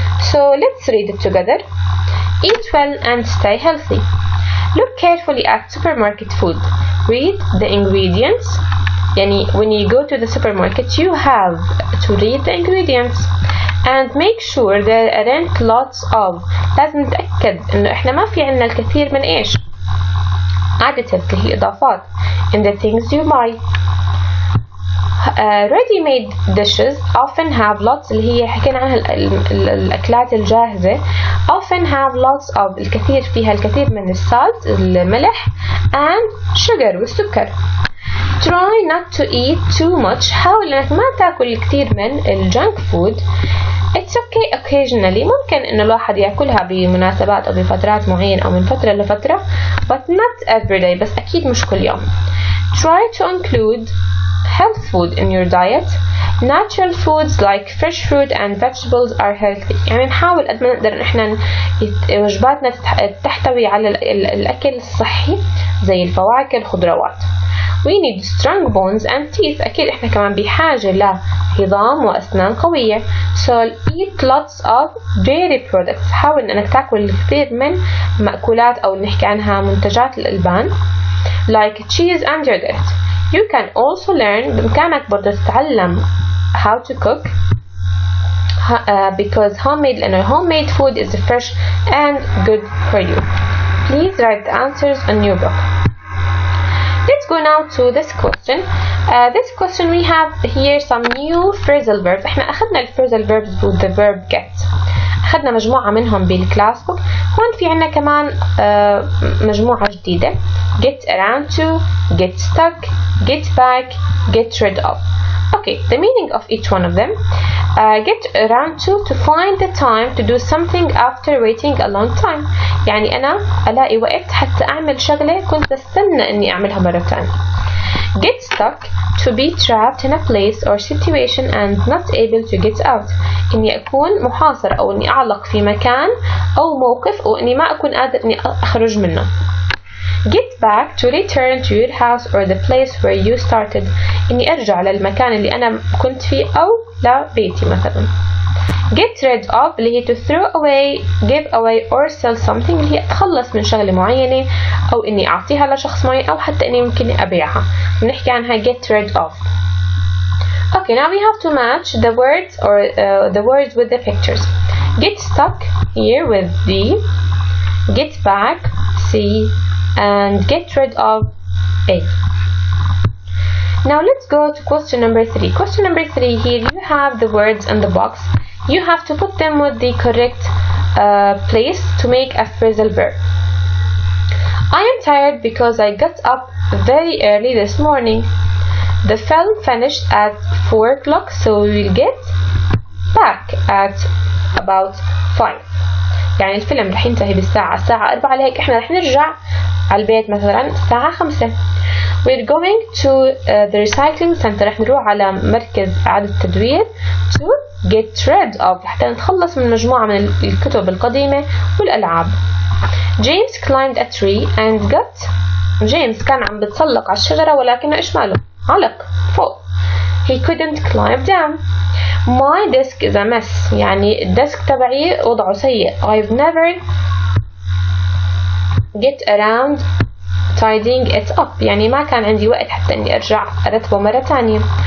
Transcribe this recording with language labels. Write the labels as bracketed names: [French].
[English] So let's read it together. Eat well and stay healthy. Look carefully at supermarket food. Read the ingredients. Yani, when you go to the supermarket, you have to read the ingredients. And make sure there aren't lots of. [Arabic] لازم نتأكد إنه إحنا ما في عنا الكثير من إيش. Additives, اللي هي إضافات. [English] In the things you buy. Ready-made dishes often have lots, [Arabic] اللي هي حكينا عنها الأكلات الجاهزة. [English] Often have lots of, [Arabic] الكثير فيها الكثير من الصلت, الملح, [English] and sugar, [Arabic] والسكر. [English] Try not to eat too much. [Arabic] حاول إنك ما تأكل كثير من الجنك فود. [English] It's okay occasionally. [Arabic] ممكن إنه الواحد يأكلها بمناسبات أو بفترات معينة أو من فترة لفترة. [English] But not every day. [Arabic] بس أكيد مش كل يوم. [English] Try to include health food in your diet. Natural foods like fresh fruit and vegetables are healthy. [Arabic] يعني نحاول قد ما نقدر إحنا وجباتنا تحتوي على الأكل الصحي زي الفواكه الخضروات. [English] We need strong bones and teeth. [Arabic] أكيد إحنا كمان بحاجة لعظام وأسنان قوية. [English] So eat lots of dairy products. [Arabic] حاول أنك تأكل الكثير من مأكولات أو نحكي عنها منتجات الألبان. [English] Like cheese and yogurt. You can also learn. [Arabic] بإمكانك برضو تتعلم [English] how to cook. Because homemade food is fresh and good for you. Please write the answers on your book. Let's go now to this question. This question we have here some new phrasal verbs. [Arabic] احنا اخذنا [English] الphrasal verbs with the verb get. [Arabic] اخذنا مجموعة منهم بالكلاس بوك. هون في عنا كمان مجموعة جديدة. [English] Get around to, get stuck, get back, get rid of. Okay, the meaning of each one of them. Get around to find the time to do something after waiting a long time. [Arabic] يعني أنا ألاقي وقت حتى أعمل شغلة كنت أستنى أني أعملها مرة تانية. [English] Get stuck, to be trapped in a place or situation and not able to get out. [Arabic] إني أكون محاصر أو أني أعلق في مكان أو موقف وإني ما أكون قادر أني أخرج منه. [English] Get back to return to your house or the place where you started. [Arabic] إني أرجع للمكان اللي أنا كنت فيه أو لبيتي مثلا. Get rid of اللي هي [English] to throw away, give away or sell something [Arabic] اللي هي أتخلص من شغلة معينة أو إني أعطيها لشخص معين أو حتى إني ممكن أبيعها. بنحكي عنها [English] get rid of. Okay, now we have to match the words or the words with the pictures. Get stuck here with D. Get back C. And get rid of A. Now let's go to question number 3. Question number 3, here you have the words in the box. You have to put them with the correct place to make a phrasal verb. I am tired because I got up very early this morning. The film finished at 4 o'clock, so we'll get back at about 5. [Arabic] يعني الفيلم رح ينتهي بالساعة الساعة 4 لهيك احنا رح نرجع على البيت مثلا الساعة 5. [English] We're going to the recycling center. [Arabic] رح نروح على مركز إعادة التدوير [English] to get rid of [Arabic] حتى نتخلص من مجموعة من الكتب القديمة والألعاب. [English] James climbed a tree and got. [Arabic] James كان عم بتسلق على الشجرة ولكنه إيش ماله؟ علق فوق. [English] He couldn't climb down. My desk is a mess. [Arabic] يعني الديسك تبعي وضعه سيء. [English] I've never get around tidying it up. [Arabic] يعني ما كان عندي وقت حتى اني ارجع ارتبه مرة تانية.